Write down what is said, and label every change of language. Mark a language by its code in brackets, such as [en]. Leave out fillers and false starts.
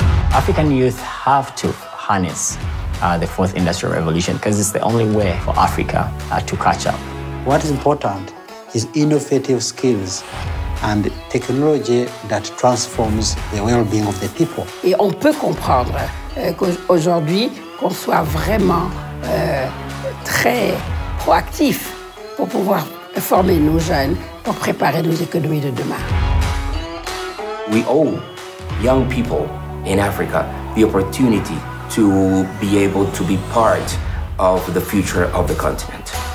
[en] African youth have to harness the fourth industrial revolution because it's the only way for Africa to catch up. What is important is innovative skills and technology that transforms the well-being of the people. [fr] Et on peut comprendre qu'aujourd'hui qu'on soit vraiment très proactif pour pouvoir former nos jeunes pour préparer nos économies de demain. [en] We owe young people in Africa the opportunity to be able to be part of the future of the continent.